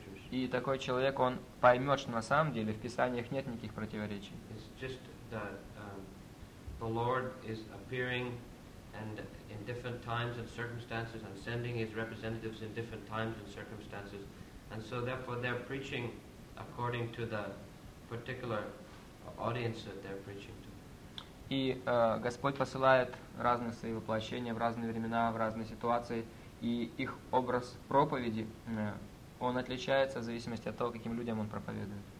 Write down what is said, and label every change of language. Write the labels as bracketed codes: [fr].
[ru] И такой человек, он поймет, что на самом деле в Писаниях нет никаких противоречий. [en] It's just that the Lord is appearing and in different times and circumstances and sending his representatives in different times and circumstances. And so therefore they're preaching according to the particular audience that they're preaching to. [ru] И Господь посылает разные свои воплощения в разные времена, в разные ситуации, и их образ проповеди он отличается в зависимости от того, каким людям он проповедует.